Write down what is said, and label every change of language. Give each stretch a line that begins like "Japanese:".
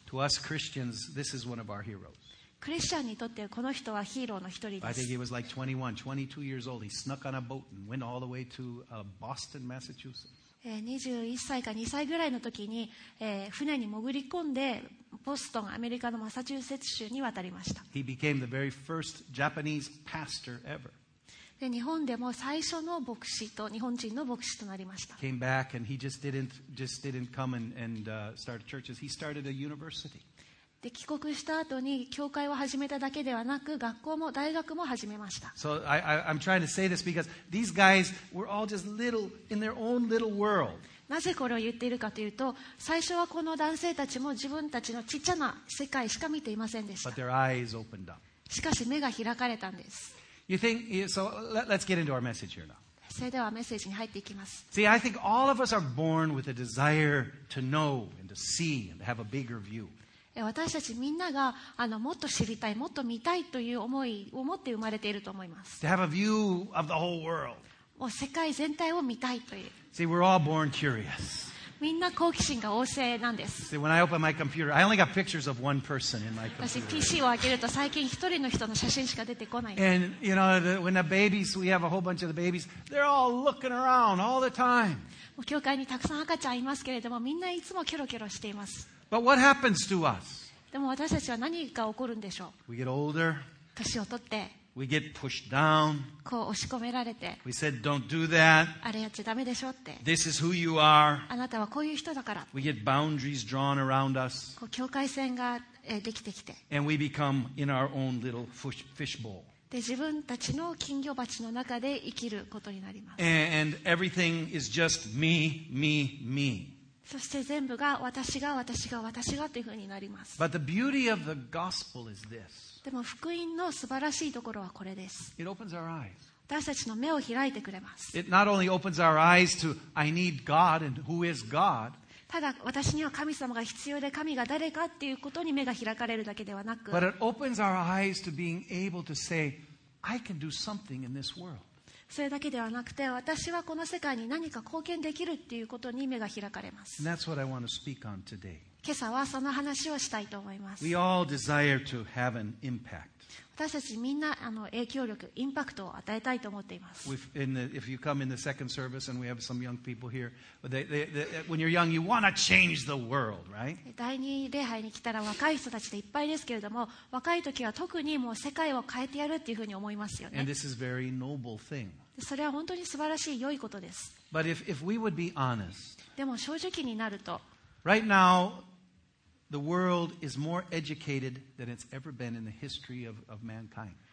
English: To us Christians, this is one of our heroes.
Japanese: クリスチャンにとってこの人はヒーローの一人です。
English: I think he was like 21, 22 years old. He snuck on a boat and went all the way to Boston, Massachusetts.
Japanese: 21歳か2歳ぐらいの時に、船に潜り込んでボストン、アメリカのマサチューセッツ州に渡りました。
English: He became the very first Japanese pastor ever.
Japanese: で、日本でも最初の牧師と、日本人の牧師となりました。
English: Came back and he just didn't come and start churches. He started a university.
Japanese: で、帰国した後に教会を始めただけではなく、学校も大学も始めました。
English: So I'm trying to say this because these guys were all just little in their own little world.
Japanese: なぜこれを言っているかというと、最初はこの男性たちも自分たちのちっちゃな世界しか見ていませんでした。
English: But their eyes opened up.
Japanese: しかし目が開かれたんです。
English: You think, so let's get into our message here now.
Japanese: それではメッセージに入っていきます。
English: See, I think all of us are born with a desire to know and to see and to have a bigger view.
Japanese: 私たちみんながもっと知りたい、もっと見たいという思いを持って生まれていると思います。
English: To have a view of the whole world.
Japanese: もう世界全体を見たいという。
English: See, we're all born curious.
Japanese: みんな好奇心が旺盛なんです。
English: See, when I open my computer, I only got pictures of one person in my computer.
Japanese: 私 PC を開けると最近一人の人の写真しか出てこない。
English: And you know, when the babies, we have a whole bunch of the babies, they're all looking around all the time.
Japanese: 教会にたくさん赤ちゃんいますけれども、みんないつもキョロキョロしています。
English: But what happens to us?
Japanese: でも私たちは何が起こるんでしょう。
English: We get older.
Japanese: 年を取って。
English: We get pushed down.
Japanese: こう押し込められて。
English: We said, "Don't do that."
Japanese: あれやっちゃダメでしょって。
English: This is who you are.
Japanese: あなたはこういう人だから。
English: We get boundaries drawn around us.
Japanese: こう境界線が、できてきて。
English: And we become in our own little fish bowl.
Japanese: で自分たちの金魚鉢の中で生きることになります。
English: And everything is just me, me, me.
Japanese: そして全部が私が私が私がというふうになります。
English: But the beauty of the gospel is this.
Japanese: でも福音の素晴らしいところはこれです。
English: It opens our eyes.
Japanese: 私たちの目を開いてくれます。
English: It not only opens our eyes to I need God and who is God.
Japanese: ただ私には神様が必要で神が誰かっていうことに目が開かれるだけではなく、
English: But it opens our eyes to being able to say I can do something in this world.
Japanese: それだけではなくて、私はこの世界に何か貢献できるっていうことに目が開かれます。
English: And that's what I want to speak on today.
Japanese: 今朝はその話をしたいと思います。
English: We all desire to have an impact.
Japanese: 私たちみんな影響力、インパクトを与えたいと思っています。
English: If you come in the second service and we have some young people here, when you're young, you want to change the world, right?
Japanese: 第二礼拝に来たら若い人たちでいっぱいですけれども、若い時は特にもう世界を変えてやるっていうふうに思いますよね。
English: And this is very noble thing.
Japanese: それは本当に素晴らしい良いことです。
English: But if we would be honest,
Japanese: でも正直になると、
English: right now the world is more educated than it's ever been in the history of mankind.